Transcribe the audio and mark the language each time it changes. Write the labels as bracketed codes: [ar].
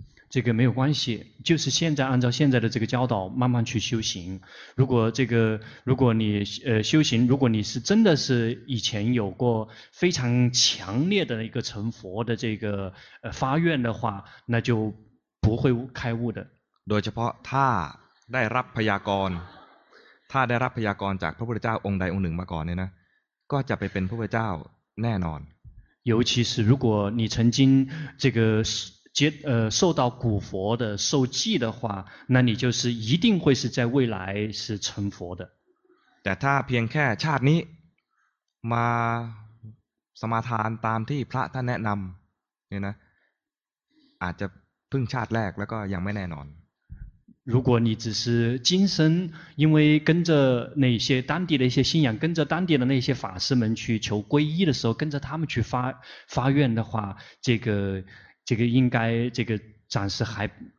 [zh] 这个没有关系就是现在按照现在的这个教导慢慢去修行如果这个如果你修行如果你是真的是以前有过非常强烈的一个成佛的这个发愿的话那就不会开悟的 [th] โดยเฉพาะถ้าได้รับพยากรณ์ถ้าได้รับพยากรณ์จากพระพุทธเจ้าองค์ใดองค์หนึ่งมาก่อนเนี่ยนะก็จะไปเป็นพระพุทธเจ้าแน่นอน [zh] 尤其是如果你曾经这个受到古佛的受记的话那你就是一定会是在未来是成佛的 [th] แต่ถ้าเพียงแค่ชาตินี้มาสมาทานตามที่พระท่านแนะนำเนี่ยนะอาจจะพึ่งชาติแรกแล้วก็ยังไม่แน่นอน [zh] 如果你只是今生因为跟着那些当地的一些信仰跟着当地的那些法师们去求皈依的时候跟着他们去发愿的话这个应该这个暂时还